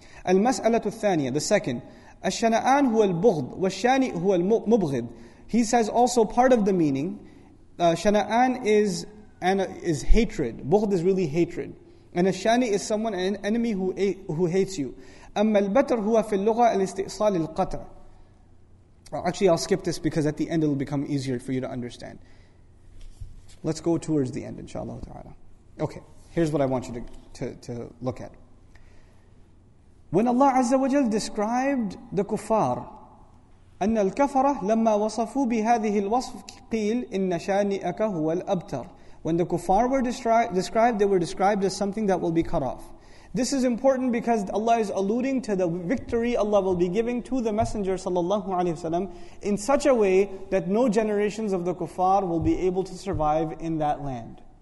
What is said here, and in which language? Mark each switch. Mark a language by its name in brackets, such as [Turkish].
[Arabic] الْمَسْأَلَةُ الثَّانِيَةِ, [English] the second. [Arabic] الشَّنَآنُ هُوَ الْبُغْضُ وَالشَّانِئُ هُوَ الْمُبْغِضُ. [English] He says also part of the meaning, شَنَآنُ is... and is hatred. Bughd is really hatred. And a shani is someone, an enemy who hates you. [Arabic] أما البتر هو في اللغة الاستئصال القطع. [English] Actually, I'll skip this because at the end it'll become easier for you to understand. Let's go towards the end, inshallah ta'ala. Okay, here's what I want you to look at. When Allah Azza wa Jal described the kuffar, [Arabic] أن الكفرة لما وصفوا بهذه الوصف قيل إن شانئك هو الأبتر. [English] When the kuffar were described, they were described as something that will be cut off. This is important because Allah is alluding to the victory Allah will be giving to the Messenger sallallahu alaihi wasallam in such a way that no generations of the kuffar will be able to survive in that land.